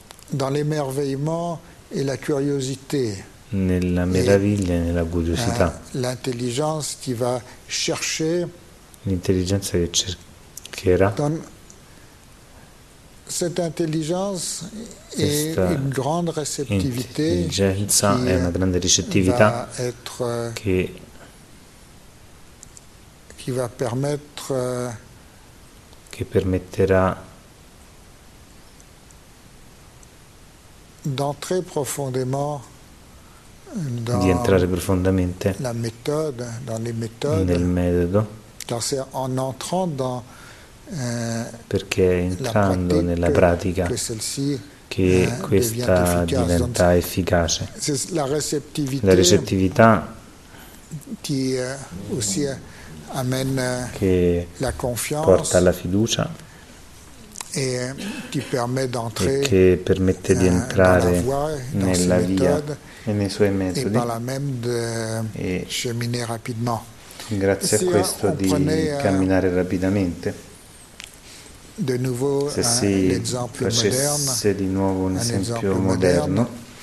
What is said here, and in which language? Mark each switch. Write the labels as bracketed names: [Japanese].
[French] dans l'émerveillement et la curiosité, [Italian] nella meraviglia e nella curiosità, [French] l'intelligence qui va chercher, [Italian] l'intelligenza che cerca Kera. [French] Donc, cette intelligence est une grande réceptivité. [Italian] Intelligenza è una grande ricettività [French] qui va permettre [Italian] che permetterà [French] d'entrer profondément [Italian] di entrare profondamente [French] la méthode, dans les méthodes, [Italian] nel metodo, [French] car c'est en entrant dans, [Italian] perché è entrando nella pratica che questa diventa efficace. [French] La [Italian] receptività [French] qui aussi amène [Italian] che [French] la confiance, [Italian] porta alla fiducia [French] et qui permet d'entrer, [Italian] e che permette di entrare [French] dans la voie, [Italian] nella [French] dans [Italian] via [French] méthodes, [Italian] e nei suoi metodi [French] et par la même de e cheminer rapidement. [Italian] Grazie si a questo di camminare rapidamente. De nouveau, se si facesse di nuovo un esempio moderno,